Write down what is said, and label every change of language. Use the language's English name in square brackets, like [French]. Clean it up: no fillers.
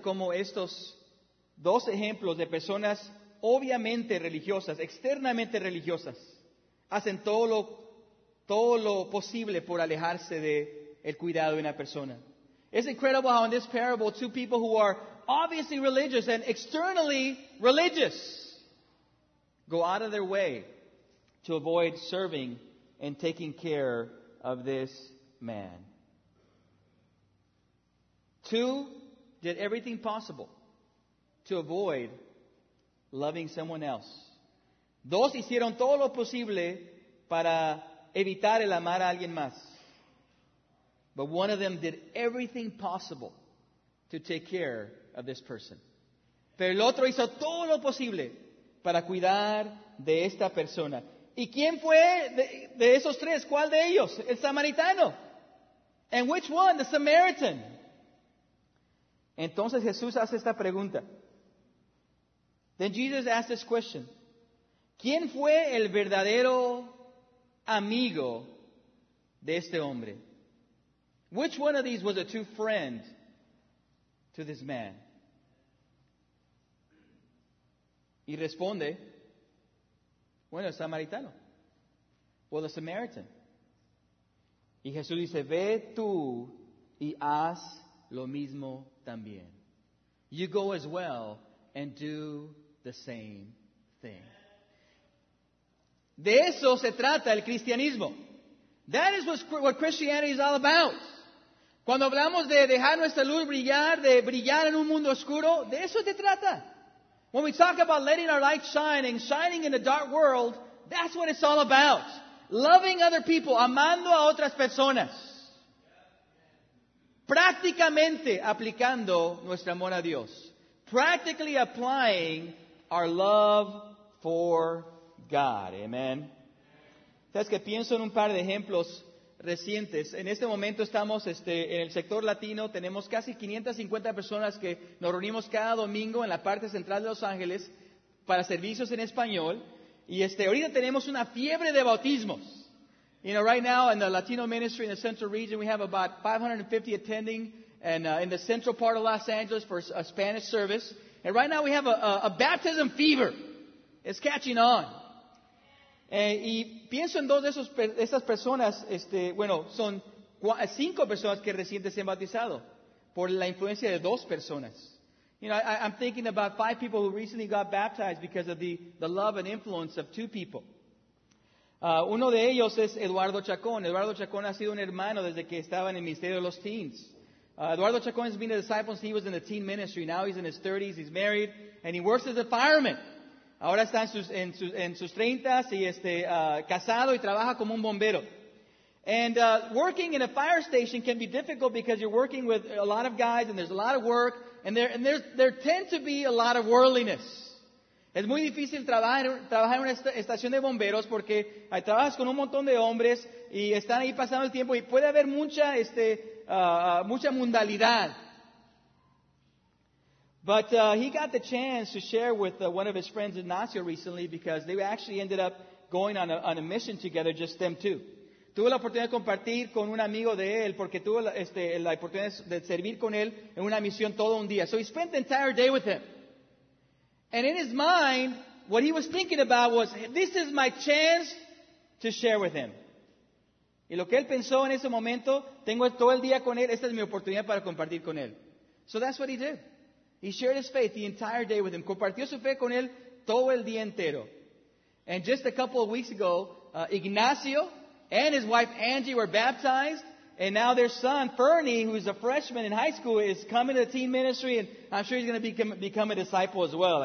[Spanish] Como estos dos ejemplos de personas obviamente religiosas, externamente religiosas, hacen todo lo posible por alejarse del cuidado de una persona. [English] It's incredible how in this parable, two people who are obviously religious and externally religious go out of their way to avoid serving and taking care of this man. Two did everything possible to avoid loving someone else. [Spanish] Dos hicieron todo lo posible para evitar el amar a alguien más. [English] But one of them did everything possible to take care of this person. [Spanish] Pero el otro hizo todo lo posible para cuidar de esta persona. ¿Y quién fue de esos tres? ¿Cuál de ellos? El samaritano. [English] And which one? The Samaritan. [Spanish] Entonces Jesús hace esta pregunta. [English] Then Jesus asks this question. [Spanish] ¿Quién fue el verdadero amigo de este hombre? [English] Which one of these was a true friend to this man? [Spanish] Y responde, bueno, el samaritano. [English] Well, the Samaritan. [Spanish] Y Jesús dice, ve tú y haz lo mismo también. [English] You go as well and do the same thing. [Spanish] De eso se trata el cristianismo. [English] That is what Christianity is all about. [Spanish] Cuando hablamos de dejar nuestra luz brillar, de brillar en un mundo oscuro, de eso se trata. [English] When we talk about letting our light shine and shining in a dark world, that's what it's all about. Loving other people, [Spanish] amando a otras personas. Prácticamente aplicando nuestro amor a Dios. [English] Practically applying our love for God. Amen. [Spanish] Sabes que pienso en un par de ejemplos recientes. En este momento estamos en el sector latino. Tenemos casi 550 personas que nos reunimos cada domingo en la parte central de Los Ángeles para servicios en español. Y ahorita tenemos una fiebre de bautismos. [English] You know, right now in the Latino ministry in the central region, we have about 550 attending and in the central part of Los Angeles for a Spanish service. And right now we have a baptism fever. It's catching on. [Spanish] Y pienso en dos de esas personas, son cinco personas que recientemente se han bautizado por la influencia de dos personas. [English] You know, I'm thinking about five people who recently got baptized because of the love and influence of two people. [Spanish] Uno de ellos es Eduardo Chacón. Eduardo Chacón ha sido un hermano desde que estaba en el Ministerio de los Teens. [English] Eduardo Chacón has been a disciple since he was in the teen ministry. Now he's in his 30s, he's married, and he works as a fireman. [Spanish] Ahora está en sus 30s y casado y trabaja como un bombero. [English] And working in a fire station can be difficult because you're working with a lot of guys and there's a lot of work and there tend to be a lot of worldliness. [Spanish] Es muy difícil trabajar en una estación de bomberos porque trabajas con un montón de hombres y están ahí pasando el tiempo y puede haber mucha mundalidad. [English] But he got the chance to share with one of his friends, Ignacio, recently because they actually ended up going on a mission together, just them two. [Spanish] Tuve la oportunidad de compartir con un amigo de él porque tuve la oportunidad de servir con él en una misión todo un día. [English] So he spent the entire day with him. And in his mind, what he was thinking about was, this is my chance to share with him. [Spanish] Y lo que él pensó en ese momento, tengo todo el día con él, esta es mi oportunidad para compartir con él. [English] So that's what he did. He shared his faith the entire day with him. [Spanish] Compartió su fe con él todo el día entero. [English] And just a couple of weeks ago, Ignacio and his wife Angie were baptized. And now their son, Fernie, who is a freshman in high school, is coming to the teen ministry. And I'm sure he's going to become a disciple as well.